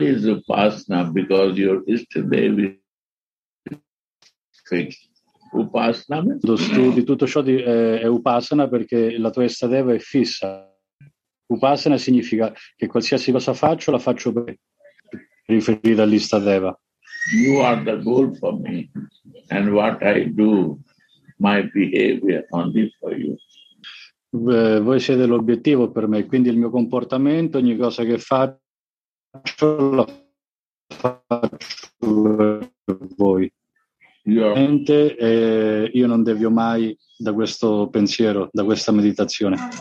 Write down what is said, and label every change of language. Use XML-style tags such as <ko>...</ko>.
<en>Is upasana because your Easter baby fixed. Upasana.</en> <it>Quando studi, tutto ciò è upasana perché la tua istadeva è fissa. Upasana significa che qualsiasi cosa faccio, la faccio per riferire all'istadeva.</it> <en>You are the goal for me and what I do. My behavior only for you.</en> <it>Voi siete l'obiettivo per me, quindi il mio comportamento, ogni cosa che faccio, lo faccio per voi. Io non devio mai da questo pensiero, da questa meditazione.</it>